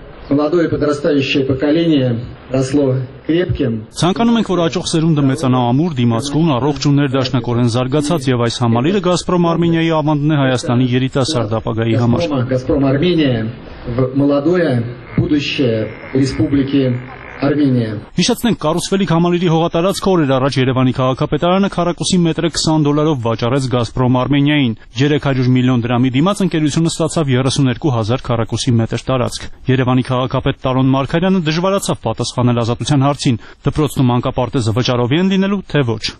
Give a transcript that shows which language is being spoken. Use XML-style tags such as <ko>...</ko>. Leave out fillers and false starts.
<ru>Молодое подрастающее поколение росло крепким.</ru> <hy>Ցանկանում ենք, որ աճող սերունդը մեծանա ամուր, դիմացկուն, առողջ ու ներդաշնակորեն զարգացած, եւ այս համալիրը Գազպրոմ Արմենիայի ավանդն է Հայաստանի երիտասարդ ապագայի համար։</hy> <ru>Գազպրոմ Արմենիա в молодое будущее республики</ru> <en>Armenia.</en> <hy>Հիշեցնենք, կառուցվելիք համալիրի հողատարածքը օրեր առաջ Երևանի քաղաքապետարանը քառակուսի մետրը 20 դոլարով վաճառեց Gazprom Armenia-ին։ 300 միլիոն դրամի դիմաց ընկերությունը ստացավ 32,000 քառակուսի մետր տարածք։ Երևանի քաղաքապետ Տարոն Մարկարյանը դժվարացավ պատասխանել ազատության հարցին, դրոցն ու մանկապարտեզը վճարովի են լինելու թե ոչ։</hy>